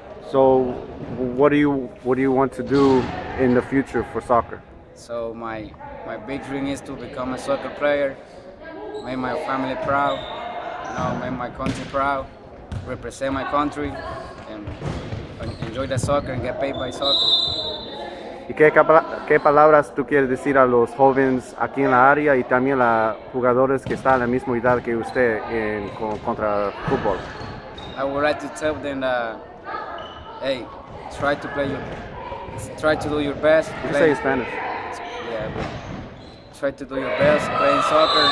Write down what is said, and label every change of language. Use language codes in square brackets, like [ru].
[en] So what do you want to do in the future for soccer? So my big dream is to become a soccer player, make my family proud, you know, make my country proud, represent my country, and enjoy the soccer and get paid by soccer. [es] ¿Y qué palabras tú quieres decir a los jóvenes aquí en la área y también a jugadores que están a la misma edad que usted en contra fútbol? [en] I would like to tell them that, hey, try to do your best. You play, say Spanish. Yeah, but try to do your best playing soccer.